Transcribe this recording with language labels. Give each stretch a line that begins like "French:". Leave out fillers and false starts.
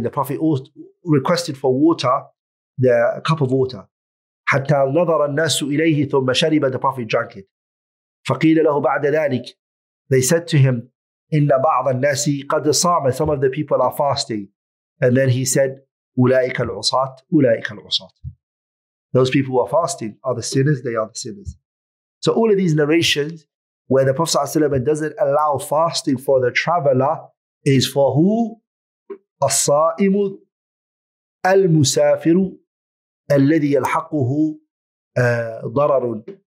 English: The Prophet requested for water, the cup of water.
Arabic: حتى نظر الناس إليه ثم شرب,
English: the Prophet drank it.
Arabic: فقيل له بعد ذلك,
English: they said to him,
Arabic: إن بعض الناس قد صام,
English: some of the people are fasting. And then he said,
Arabic: أولئك العصاة, أولئك العصاة.
English: Those people who are fasting are the sinners, they are the sinners. So all of these narrations where the Prophet ﷺ doesn't allow fasting for the traveler is for who?
Arabic: الصائم المسافر الذي يلحقه ضرر.